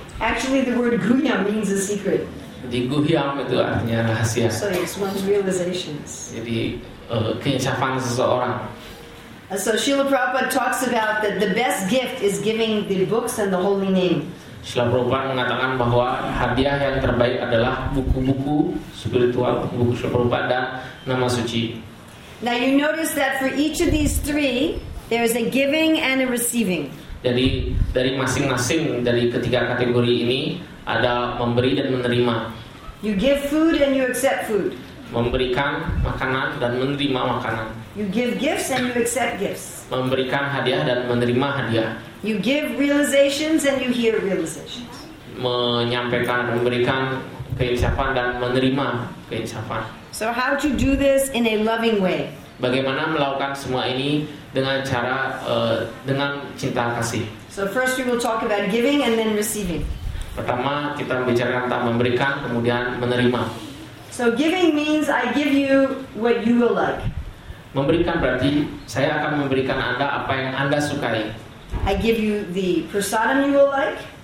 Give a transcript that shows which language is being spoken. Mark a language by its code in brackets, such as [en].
[en] Actually, the word guhyam means a secret. [id] Jadi guhyam itu artinya rahasia. [en] So it's one's realizations. [id] Jadi keinsafan seseorang. [en] So Srila Prabhupada talks about that the best gift is giving the books and the holy name. [id] Srila Prabhupada mengatakan bahwa hadiah yang terbaik adalah buku-buku spiritual, buku Srila Prabhupada dan nama suci. [en] Now you notice that for each of these three, there is a giving and a receiving. [id] Jadi dari masing-masing dari ketiga kategori ini ada memberi dan menerima. [en] You give food and you accept food. [id] Memberikan makanan dan menerima makanan. [en] You give gifts and you accept gifts. [id] Memberikan hadiah dan menerima hadiah. [en] You give realizations and you hear realizations. [id] Menyampaikan, memberikan keinsafan dan menerima keinsafan. [en] So how to do this in a loving way? [id] Bagaimana melakukan semua ini dengan cara dengan cinta kasih? [en] So first we will talk about giving and then receiving. [id] Pertama kita membicarakan tentang memberikan, kemudian menerima. [en] So giving means I give you what you will like. [id] Memberikan berarti saya akan memberikan Anda apa yang Anda sukai. [en] I give you the prasadam you will like.